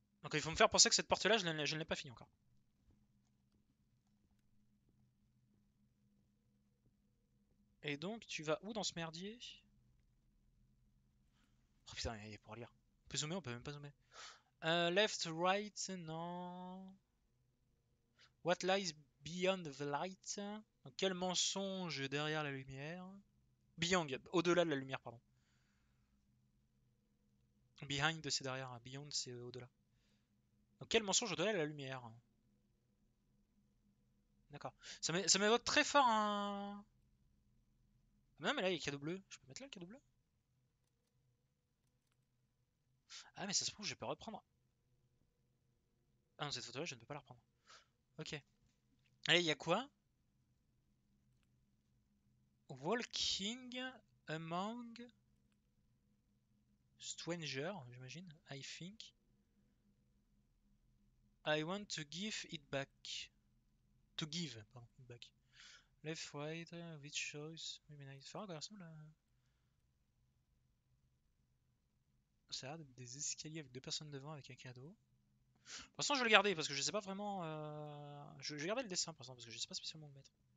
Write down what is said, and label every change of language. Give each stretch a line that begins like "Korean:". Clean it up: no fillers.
French: Donc, il faut me faire penser que cette porte-là, je ne l'ai pas finie encore. Et donc, tu vas où dans ce merdier? Oh putain, il y a pour lire. On peut zoomer, on peut même pas zoomer.
English: Left, right, non. What lies beyond the light?
French: Donc, quel mensonge derrière la lumière? Beyond, au-delà de la lumière, pardon. Behind, c'est derrière. Beyond, c'est au-delà. Donc, quel mensonge au-delà de la lumière? D'accord. Ça m'évoque très fort un. Hein. Non, mais là, il y a le cadeau bleu. Je peux mettre là le cadeau bleu? Ah, mais ça se trouve, je peux reprendre. Ah non, cette photo-là, je ne peux pas la reprendre. Ok. Allez, il y a quoi?
English: Walking among strangers,
French: j'imagine.
English: I think. I want to give it back. To give, pardon, it back. Left, right, which choice?
French: Oui, mais là. Ça a l'air des escaliers avec deux personnes devant avec un cadeau. De toute façon, je vais le garder parce que je sais pas vraiment. Je vais garder le dessin pour l'instant parce que je sais pas spécialement où le mettre.